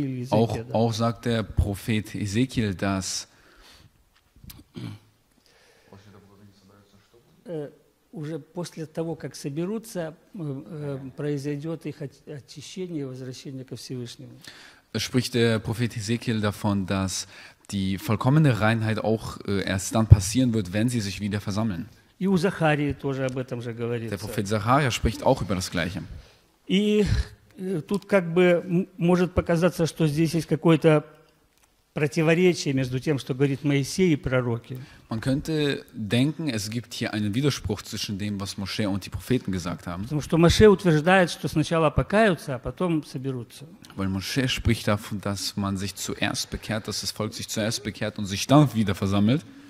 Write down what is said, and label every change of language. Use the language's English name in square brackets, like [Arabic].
[German] Auch sagt der Prophet Ezekiel, dass [Russian] уже после того, как соберутся, произойдет их очищение, возвращение ко Всевышнему. [German] Spricht der Prophet Ezekiel davon, dass die vollkommene Reinheit auch erst dann passieren wird, wenn sie sich wieder versammeln. [Russian] И у Захарии тоже об этом же говорится. [German] Der Prophet Zacharia spricht auch über das Gleiche. [Russian] И тут как бы может показаться, что здесь есть какое-то противоречие между тем, что говорит Моисей и пророки. [German] Man könnte denken, es gibt hier einen Widerspruch zwischen dem, was Moshe und die Propheten gesagt haben. [Russian] Потому что Моше утверждает, что сначала покаются, а потом соберутся. [German] Weil Moshe spricht davon, dass man sich zuerst bekehrt, dass das Volk sich zuerst bekehrt und sich dann wieder versammelt.